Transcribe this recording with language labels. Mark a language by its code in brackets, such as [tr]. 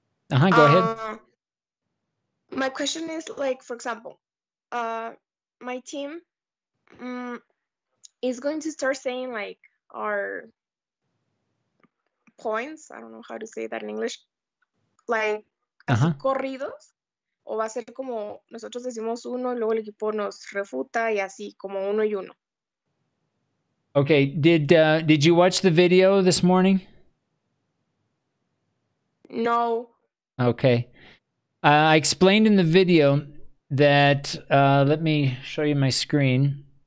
[en] Uh-huh, go ahead. My question is, like, for example, my team is going to start saying, like, our points. I don't know how to say that in English. Like, uh-huh. Corridos. [es] O va a ser como nosotros decimos uno, luego el equipo nos refuta y así, como uno y uno. [en] Okay, did you watch the video this morning? No. Okay. I explained in the video that, let me show you my screen.